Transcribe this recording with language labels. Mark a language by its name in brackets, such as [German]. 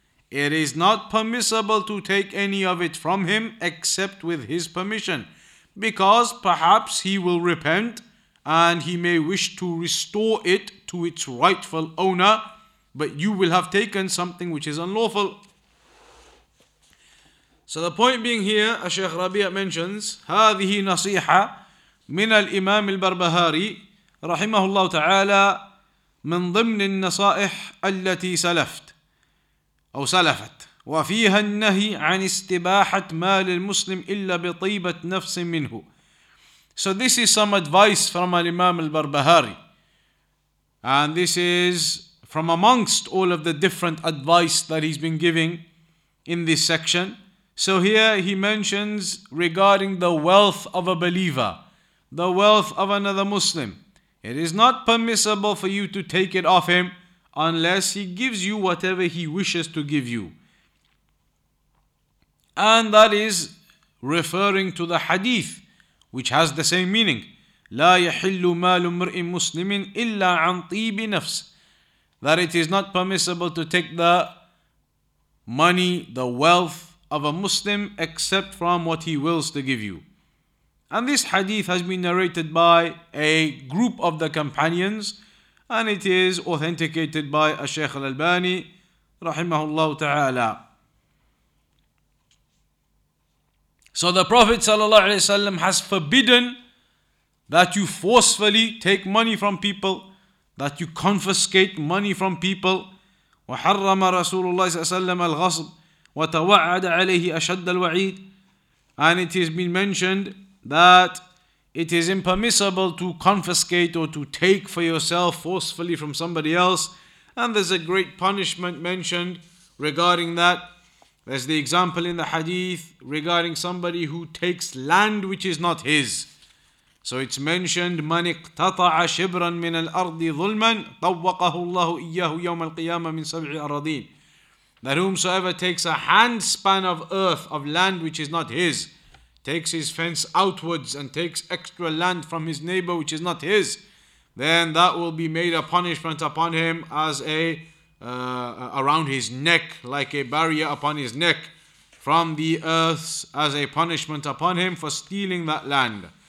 [English] It is not permissible to take any of it from him except with his permission, because perhaps he will repent and he may wish to restore it to its rightful owner, but you will have taken something which is unlawful. So the point being here, as Sheikh Rabi'a mentions, [Arabic] هذه نصيحة من الإمام البربهاري رحمه الله تعالى من ضمن النصائح التي سلفت أو سلفت وفيها النهي عن استباحة مال المسلم إلا بطيبة نفس منه. [English] So this is some advice from Al-Imam Al-Barbahari, and this is from amongst all of the different advice that he's been giving in this section. So here he mentions regarding the wealth of a believer, the wealth of another Muslim. It is not permissible for you to take it off him unless he gives you whatever he wishes to give you. And that is referring to the hadith, which has the same meaning. [Arabic] لا يحل مال امرئ مسلم إلا عن طيب نفس. [English] That it is not permissible to take the money, the wealth of a Muslim, except from what he wills to give you. And this hadith has been narrated by a group of the companions, and it is authenticated by Al-Shaykh Al-Albani, rahimahullah ta'ala. So the Prophet sallallahu alayhi wa sallam has forbidden that you forcefully take money from people, that you confiscate money from people. [Arabic] وَحَرَّمَ رَسُولُ اللَّهِ صَلَّى اللَّهُ عَلَيْهِ وَسَلَّمَ الْغَصْبِ وَتَوَعَّدَ عَلَيْهِ أَشَدَّ الْوَعِيدِ. [English] And it has been mentioned that it is impermissible to confiscate or to take for yourself forcefully from somebody else. And there's a great punishment mentioned regarding that. There's the example in the hadith regarding somebody who takes land which is not his. So it's mentioned, [Arabic] من اقتطع شبرا من الأرض ظلما طوقه الله إياه يوم القيامة من سبع أراضين. [English] That whomsoever takes a handspan of earth, of land which is not his, takes his fence outwards and takes extra land from his neighbor which is not his, then that will be made a punishment upon him as around his neck, like a barrier upon his neck from the earth, as a punishment upon him for stealing that land.